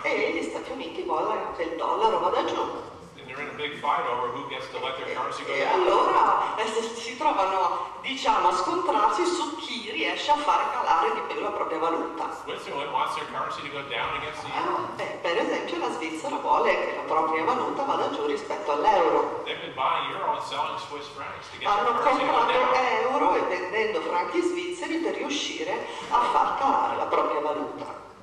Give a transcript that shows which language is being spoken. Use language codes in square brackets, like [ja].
[it] E gli Stati Uniti vogliono che il dollaro vada giù. E allora si trovano, diciamo, a scontrarsi su chi riesce a far calare di più la propria valuta. [en] Switzerland wants their currency to go down against the euro. [it] Per esempio, la Svizzera vuole che la propria valuta vada giù rispetto all'euro. [en] They've been buying euro and selling Swiss francs to get [it] hanno [en] their currency [it] comprato [en] to go down. [it] Euro e vendendo franchi svizzeri per riuscire a far calare la propria valuta.